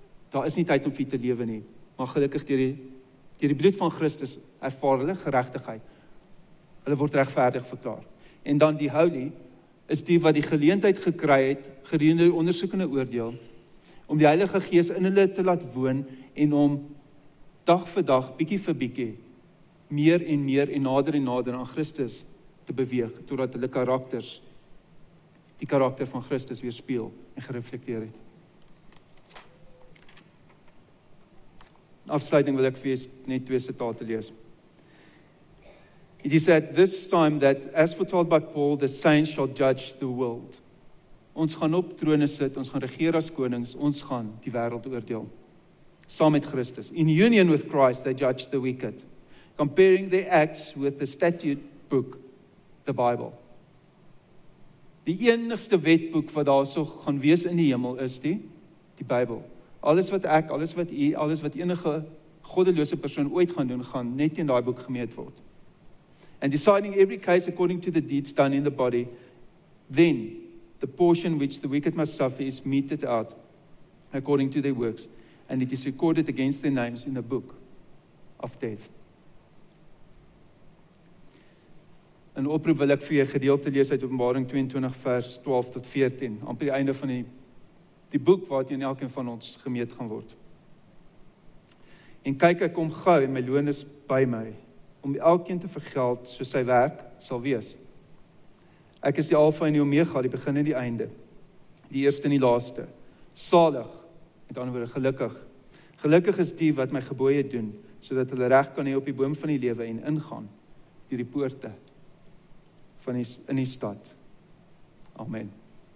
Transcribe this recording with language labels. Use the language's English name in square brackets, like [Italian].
[Afrikaans] daar is nie tyd om vir te lewe nie, maar gelukkig deur die bloed van Christus, ervaar hulle geregtigheid, hulle word regverdig verklaar, en dan die holy, is die wat die geleentheid gekry het, gedurende die ondersoekende oordeel, om die Heilige Gees in hulle te laat woon, en om dag vir dag, bietjie vir bietjie, meer en meer en nader aan Christus te beweeg, totdat hulle karakters, die karakter van Christus weerspeel en gereflekteer het. In afsluiting wil ek vir jy net 2 sitate lees. [English] It is at this time that, as foretold by Paul, the saints shall judge the world. [Afrikaans] Ons gaan op trone sit, ons gaan regeer as konings, ons gaan die wêreld oordeel. Saam met Christus. [English] In union with Christ, they judge the wicked, comparing their acts with the statute book, the Bible. [Afrikaans] Die enigste wetboek wat daar so gaan wees in die hemel is die Bible. Alles wat ek, alles wat u, alles wat enige goddelose persoon ooit gaan doen, gaan net in daai boek gemeet word. [English] And deciding every case according to the deeds done in the body, then the portion which the wicked must suffer is meted out according to their works, and it is recorded against their names in the book of death. [Afrikaans] In oproep wil ek vir jy gedeelte lees uit Openbaring 22 vers 12 tot 14, amper die einde van die boek wat in elkeen van ons gemeet gaan word. En kyk, ek kom gou en my loon is by my, om elkeen te vergeld soos sy werk sal wees. Ek is die Alfa en die Omega, die begin en die einde, die eerste en die laaste. Salig, met ander woorde, gelukkig. Gelukkig is die wat my gebooie doen, sodat hulle reg kan hê op die boom van die lewe en ingaan deur die poorte van die, in die stad. Amen.